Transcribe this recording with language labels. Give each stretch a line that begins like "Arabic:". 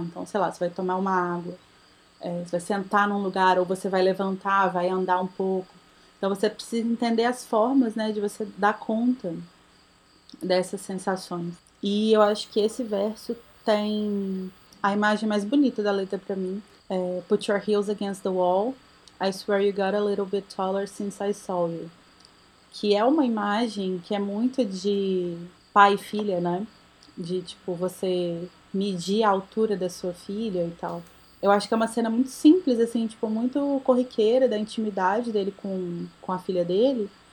Portuguese: Então, sei lá, você vai tomar uma água, é, você vai sentar num lugar, ou você vai levantar, vai andar um pouco. Então, você precisa entender as formas, né, de você dar conta dessas sensações. E eu acho que esse verso tem a imagem mais bonita da letra para mim.
English: É, put your heels against the wall. I swear you got a little bit taller since I saw you.
Portuguese: Que é uma imagem que é muito de pai e filha, né? De, tipo, você medir a altura da sua filha e tal. Eu acho que é uma cena muito simples, assim, tipo, muito corriqueira da intimidade dele com a filha dele.